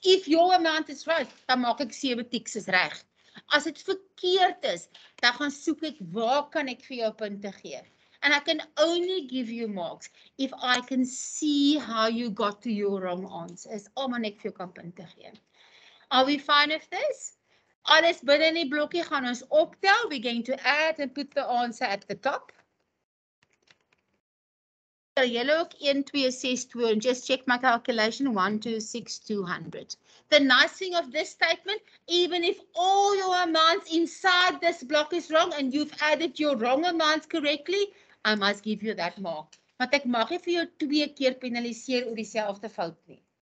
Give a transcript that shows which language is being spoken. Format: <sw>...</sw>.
<en>If your amount is right,</en> <af>dan maak ek 7 ticks is reg. As dit verkeerd is, dan gaan soek ek waar kan ek vir jou punte gee.</af> <en>And I can only give you marks if I can see how you got to your wrong answer.</en> <af>Is almal net vir jou kan punte gee.</af> <en>Are we fine with this?</en> <af>Alles binne die blokkie gaan ons optel.</af> <en>We're going to add and put the answer at the top. So you look in 2 6 2 and just check my calculation 1 2 6 200. The nice thing of this statement, even if all your amounts inside this block is wrong and you've added your wrong amounts correctly, I must give you that mark.</en> <af>Want ek mag nie vir jou 2 keer penaliseer oor dieselfde fout nie.</af>